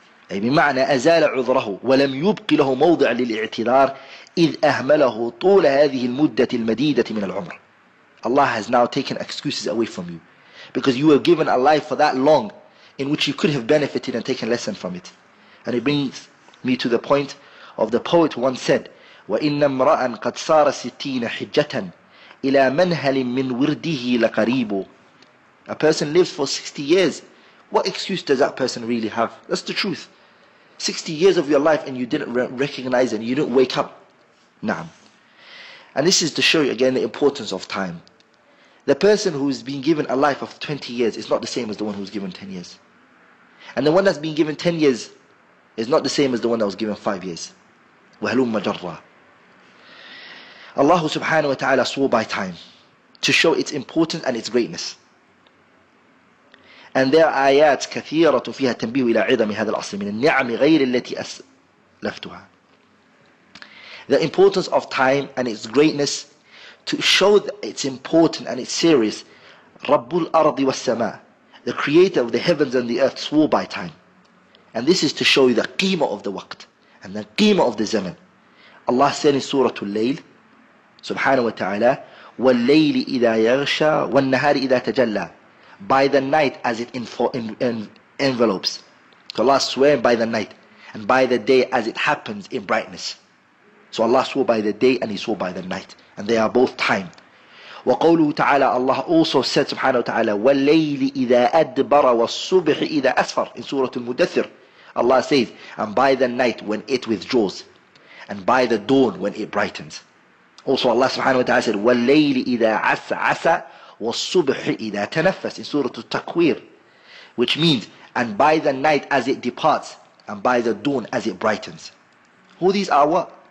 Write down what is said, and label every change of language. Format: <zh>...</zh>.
<ar>أي بمعنى أزال عذره ولم يبق له موضع للاعتذار إذ أهمله طول هذه المدة المديدة من العمر.</ar> <en>Allah has now taken excuses away from you, because you were given a life for that long in which you could have benefited and taken lesson from it. And it brings me to the point of the poet who once said,</en> <ar>وَإِنَّ امْرَأً قَدْ صَارَ 60 حِجَّةً إِلَى مَنْهَلٍ مِّنْ وِرْدِهِ لَقَرِيبُ.</ar> <en>A person lives for 60 years. What excuse does that person really have? That's the truth. 60 years of your life and you didn't recognize and you didn't wake up. Naam. And this is to show you again the importance of time. The person who's been given a life of 20 years is not the same as the one who's given 10 years. And the one that's been given 10 years is not the same as the one that was given 5 years.</en> <ar>وَهَلُمْ مَجَرَّى.</ar> <en>Allah subhanahu wa ta'ala swore by time to show its importance and its greatness. And there are ayat</en> <ar>كثيرة فيها تنبيه إلى عظم هذا الأصل من النعم غير التي أسلفتها.</ar> <en>The importance of time and its greatness to show that it's important and it's serious.</en> <ar>رب الأرض والسماء,</ar> <en>the creator of the heavens and the earth, swore by time. And this is to show you the qima of the waqt and the qima of the zaman. Allah said in Surah Al-Layl,</en> <ar>سبحانه وتعالى والليل إذا يغشى والنهار إذا تجلى.</ar> <en>By the night as it envelopes. So Allah swore by the night and by the day as it happens in brightness. So Allah swore by the day and He swore by the night. And they are both time.</en> <ar>وقوله تعالى,</ar> <en>Allah also said</en> <ar>سبحانه وتعالى والليل إذا أدبر والصبح إذا أسفر.</ar> <en>In Surah Al-Mudathir, Allah says, and by the night when it withdraws and by the dawn when it brightens. Also Allah subhanahu wa ta'ala said,</en> <ar>وَاللَّيْلِ إِذَا عَسَ عَسَ وَالصُّبْحِ إِذَا تَنَفَّسَ</ar> <en>in Surah Al-Takwir, which means, and by the night as it departs, and by the dawn as it brightens. Who these are what?</en>